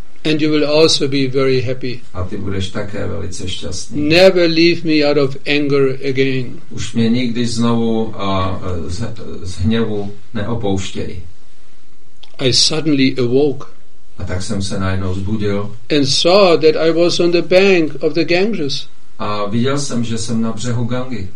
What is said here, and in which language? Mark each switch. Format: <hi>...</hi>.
<en>And you will also be very happy.</en> <cs>A ty budeš také velice šťastný.</cs> <en>Never leave me out of anger again.</en> <cs>Už mě nikdy znovu z hněvu neopouštěj.</cs> <en>I suddenly awoke.</en> <cs>A tak jsem se najednou zbudil.</cs> <en>And saw that I was on the bank of the Ganges.</en> <cs>A viděl jsem, že jsem na břehu Gangy.</cs>